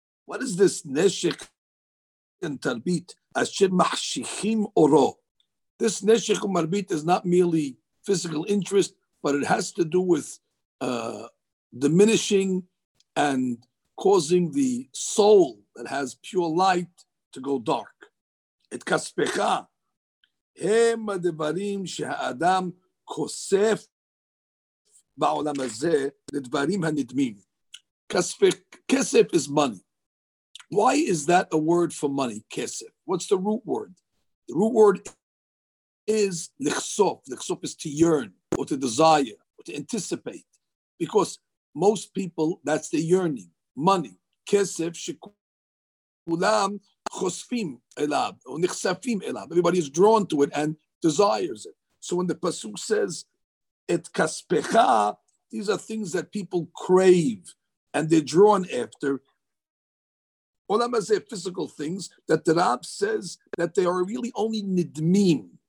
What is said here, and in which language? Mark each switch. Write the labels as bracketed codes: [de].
[en] What is this neshek and tarbit asher machshichim oro? This neshek u'marbit is not merely physical interest, but it has to do with diminishing and causing the soul that has pure light to go dark. Et kaspecha, [he] הם הדברים שהאדם כוסף בעולם הזה לדברים הנדמים. [en] כסף is money. Why is that a word for money, כסף? What's the root word? The root word is לחשוף. לחשוף is to yearn, or to desire, or to anticipate. Because most people, that's the yearning, money. [he] כסף שכולם חושפים אליו, או נחשפים אליו. [en] Everybody is drawn to it and desires it. So when the pasuk says, את כספך, these are things that people crave, and they're drawn after. Olam hazeh, physical things, that the Rab says that they are really only nidmim.